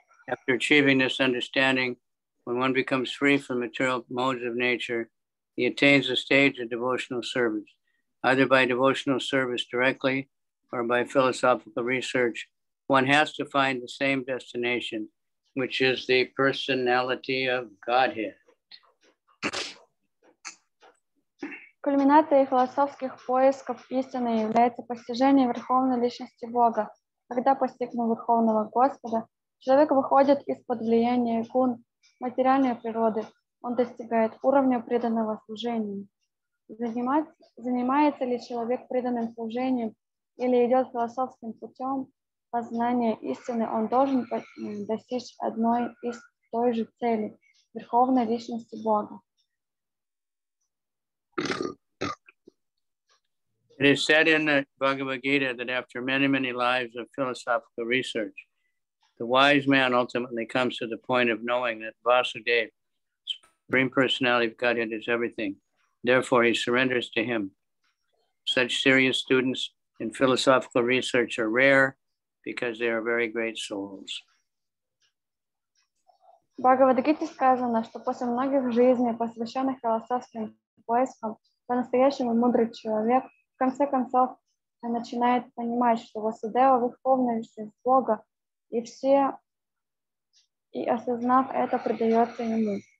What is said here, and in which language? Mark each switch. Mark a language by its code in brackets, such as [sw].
[en] After achieving this understanding, when one becomes free from material modes of nature, he attains the stage of devotional service, either by devotional service directly or by philosophical research. One has to find the same destination, which is the personality of Godhead. [ru] Кульминацией философских поисков истины является постижение Верховной Личности Бога. Когда постигнув Верховного Господа, человек выходит из-под влияния гун материальной природы. Он достигает уровня преданного служения. Занимается ли человек преданным служением или идет философским путем познания истины, он должен достичь одной из той же цели – Верховной Личности Бога. [en] It is said in the Bhagavad Gita that after many, many lives of philosophical research, the wise man ultimately comes to the point of knowing that Vasudeva, Supreme Personality of Godhead, is everything. Therefore, he surrenders to him. Such serious students in philosophical research are rare because they are very great souls. [ru] Bhagavad Gita сказано, что после многих жизней, посвященных философским поискам, по-настоящему мудрый человек в конце концов, он начинает понимать, что Васудева – Верховная Личность Бога, и все, и осознав это, предается ему.